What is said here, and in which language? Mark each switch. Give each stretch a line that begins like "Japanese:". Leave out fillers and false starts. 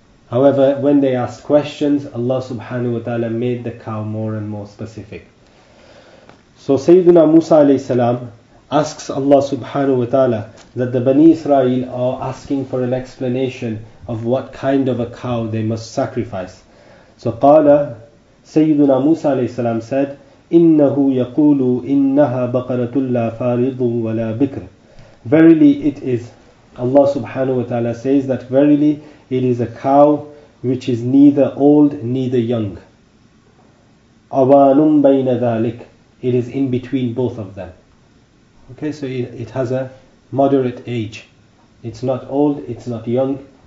English: However, when they asked questions, Allah subhanahu wa ta'ala made the cow more and more specific. So Sayyidina Musa alayhi salam asks Allah subhanahu wa ta'ala that the Bani Israel are asking for an explanation of what kind of a cow they must sacrifice. So Qala, Sayyidina Musa alayhi salam said,
Arabic: إِنَّهُ يَقُولُ إِنَّهَا بَقَرَةُ اللَّهَ فَارِضٌ وَلَا بِكْرٌ.
English: Verily it is, Allah subhanahu wa ta'ala says that verily it is a cow which is neither old neither young.
Arabic: أَوَانٌ بَيْنَ ذَلِكَ,
English: it is in between both of them. Okay, so it has a moderate age. It's not old, it's not young.